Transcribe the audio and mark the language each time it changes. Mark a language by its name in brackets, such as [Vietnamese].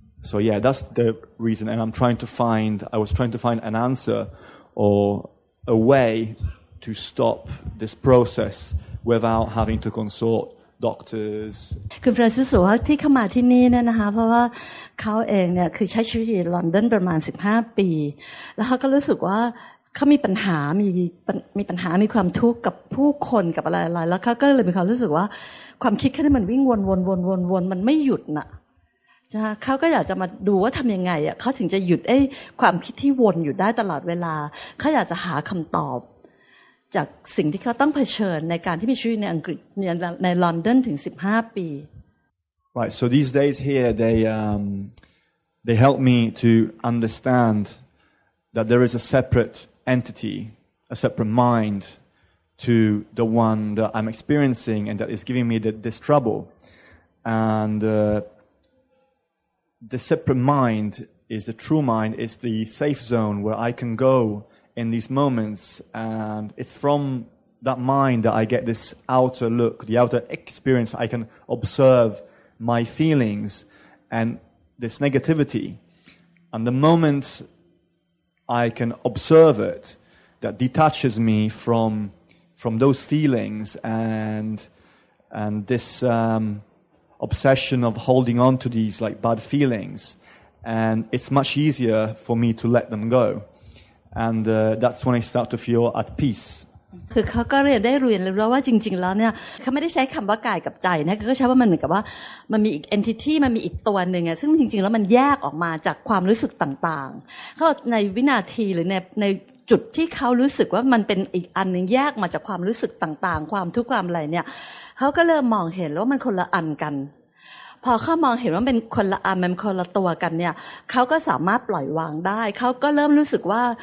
[English] So yeah, that's the reason, and I was trying to find an answer or a way to stop this process without having to consult doctors. [Thai] คุณฟรานซิสว่าที่เข้ามาที่นี่เนี่ยนะคะเพราะว่าเขาเองเนี่ยคือใช้ชีวิตอยู่ลอนดอนประมาณ15ปีแล้วเขาก็รู้สึกว่าเขามีปัญหา มีความทุกข์กับผู้คนกับอะไรๆแล้วเขาก็เลยมีความรู้สึกว่าความคิดแค่นี้มันวิ่งวนมันไม่หยุดน่ะเขาก็อยากจะมาดูว่าทำยังไงอ่ะเขาถึงจะหยุดไอ้ความคิดที่วนอยู่ได้ตลอดเวลาเขาอยากจะหาคำตอบจากสิ่งที่เขาต้องเผชิญในการที่มีชีวิตในอังกฤษในลอนดอนถึง15ปี [English] Right, so these days here they help me to understand that there is a separate entity, a separate mind to the one that I'm experiencing and that is giving me this trouble andThe separate mind is the true mind. It's the safe zone where I can go in these moments, and it's from that mind that I get this outer look, the outer experience. I can observe my feelings and this negativity, and the moment I can observe it, that detaches me from those feelings and this. Obsession of holding on to these like bad feelings, and it's much easier for me to let them go, and that's when I start to feel at peace. [Thai] คือเขาก็เรียนได้เรียนแล้วว่าจริงๆแล้วเนี่ยเขาไม่ได้ใช้คำว่ากายกับใจนะก็ใช้ว่ามันเหมือนกับว่ามันมีอีก entity มันมีอีกตัวหนึ่งอ่ะซึ่งจริงๆแล้วมันแยกออกมาจากความรู้สึกต่างๆเขาในวินาทีหรือในจุดที่เขารู้สึกว่ามันเป็นอีกอันนึงแยกมาจากความรู้สึกต่างๆความทุกข์ความอะไรเนี่ยเขาก็เริ่มมองเห็นแล้วว่ามันคนละอันกันพอเขามองเห็นว่าเป็นคนละอันมันคนละตัวกันเนี่ยเขาก็สามารถปล่อยวางได้เขาก็เริ่มรู้สึกว่า